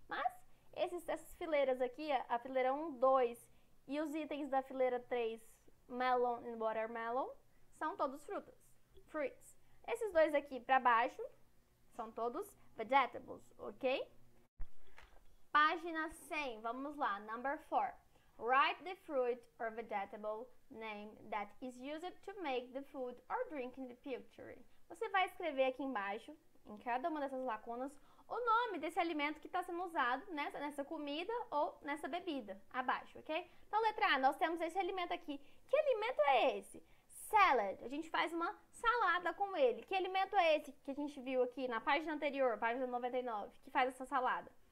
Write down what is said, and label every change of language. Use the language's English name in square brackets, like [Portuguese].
[Portuguese] Mas essas fileiras aqui, a fileira 1, 2 e os itens da fileira 3. Melon e watermelon são todos frutas. Fruits. Esses dois aqui para baixo são todos vegetables, ok? Página 100. Vamos lá. [English] Number 4. Write the fruit or vegetable name that is used to make the food or drink in the picture. [Portuguese] Você vai escrever aqui embaixo, em cada uma dessas lacunas, o nome desse alimento que está sendo usado nessa comida ou nessa bebida. Abaixo, ok? Então, letra A, nós temos esse alimento aqui. Que alimento é esse? Salad. A gente faz uma salada com ele. Que alimento é esse que a gente viu aqui na página anterior, página 99, que faz essa salada?